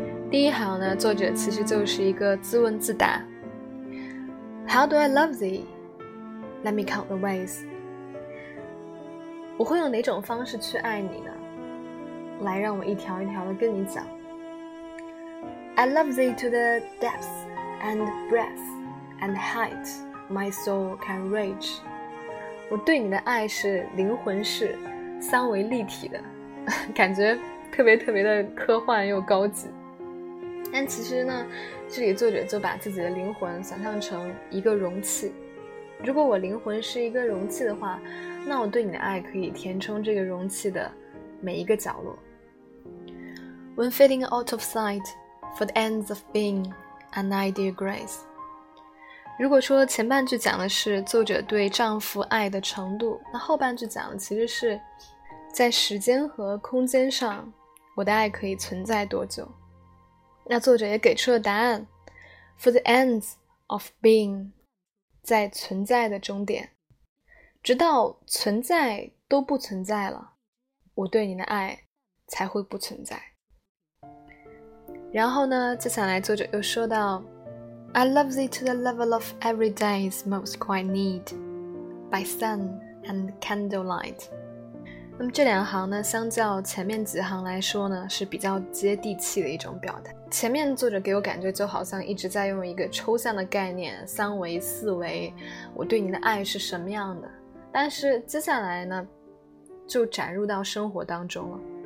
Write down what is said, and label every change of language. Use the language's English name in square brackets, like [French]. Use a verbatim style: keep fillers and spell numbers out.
[Chinese] 第一行呢，作者其实就是一个自问自答。 [English] How do I love thee? Let me count the ways. [Chinese] 我会用哪种方式去爱你呢？来，让我一条一条的跟你讲。 [English] I love thee to the depths and breadth and height my soul can reach. [Chinese] 我对你的爱是灵魂式，三维立体的，感觉特别特别的科幻又高级。但其实呢，这里作者就把自己的灵魂想象成一个容器。如果我灵魂是一个容器的话，那我对你的爱可以填充这个容器的每一个角落。 [English] When feeling out of sight,For the ends of being and ideal grace. [Chinese] 如果说前半句讲的是作者对丈夫爱的程度，那后半句讲的其实是在时间和空间上，我的爱可以存在多久。那作者也给出了答案 [English] For the ends of being， [Chinese] 在存在的终点直到存在都不存在了，我对你的爱才会不存在。然后呢，接下来作者又说到 [English] I love thee to the level of every day's most quiet need by sun and candlelight。 [Chinese] 那么这两行呢，相较前面几行来说呢，是比较接地气的一种表达。前面作者给我感觉就好像一直在用一个抽象的概念，三维四维，我对你的爱是什么样的，但是接下来呢就展入到生活当中了。